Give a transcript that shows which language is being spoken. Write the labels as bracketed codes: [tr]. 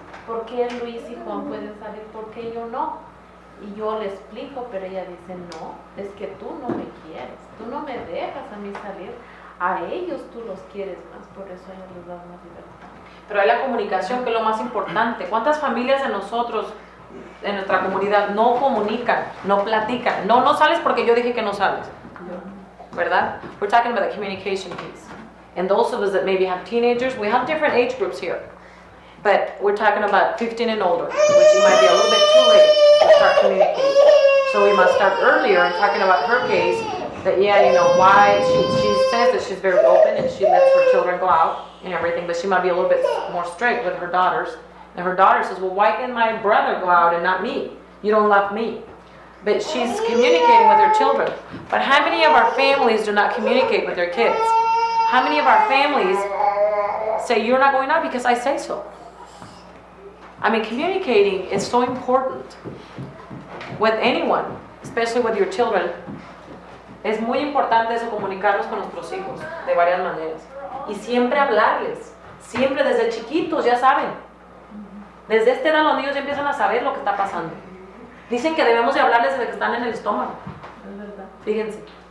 [es] ¿Por qué Luis y Juan pueden salir? ¿Por qué yo no? Y yo le explico, pero ella dice, no, es que tú no me quieres, tú no me dejas a mí salir, a ellos tú los quieres más, por eso ellos les dan más libertad. Pero hay la comunicación, que es lo más importante. ¿Cuántas familias de nosotros, en nuestra comunidad, no comunican, no platican? No, no sales porque yo dije que no sales. ¿verdad? [en] We're talking about the communication piece. And those of us that maybe have teenagers, we have different age groups here. But we're talking about 15 and older, which you might be a little bit too late to start communicating. So we must start earlier and talking about her case, that yeah, you know, why she says that she's very open and she lets her children go out and everything, but she might be a little bit more strict with her daughters. And her daughter says, well, why can my brother go out and not me? You don't love me. But she's communicating with her children. But how many of our families do not communicate with their kids? How many of our families say, you're not going out because I say so? I mean, communicating is so important with anyone, especially with your children. [es] Es muy importante eso, comunicarnos con nuestros hijos de varias maneras. Y siempre hablarles. Siempre desde chiquitos, ya saben. Desde esta edad los niños ya empiezan a saber lo que está pasando. Dicen que debemos de hablarles desde que están en el estómago. Es verdad. Fíjense.